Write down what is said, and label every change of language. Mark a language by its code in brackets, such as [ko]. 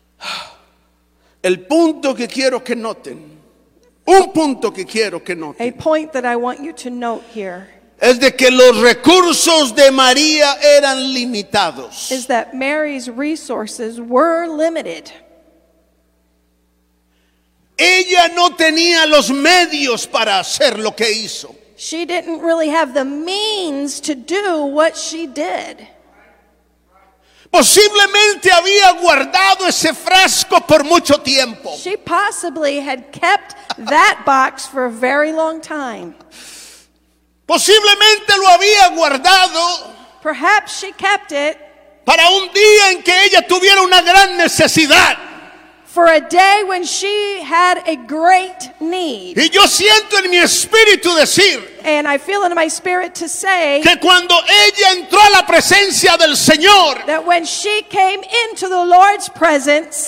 [es] Hallelujah. El punto que quiero que noten. Un punto que quiero que noten. [en] A point that I want you to note here. [es] Es de que los recursos de María eran limitados. [en] Is that Mary's resources were limited. [es] Ella no tenía los medios para hacer lo que hizo. [en] She didn't really have the means to do what she did. [es] Posiblemente había guardado ese frasco por mucho tiempo. [en] She possibly had kept that box for a very long time. [es] Posiblemente lo había guardado. [en] Perhaps she kept it [es] para un día en que ella tuviera una gran necesidad. [en] for a day when she had a great need. [es] Y yo siento en mi espíritu decir, [en] and I feel in my spirit to say, [es] que cuando ella entró a la presencia del Señor, [en] that when she came into the Lord's presence,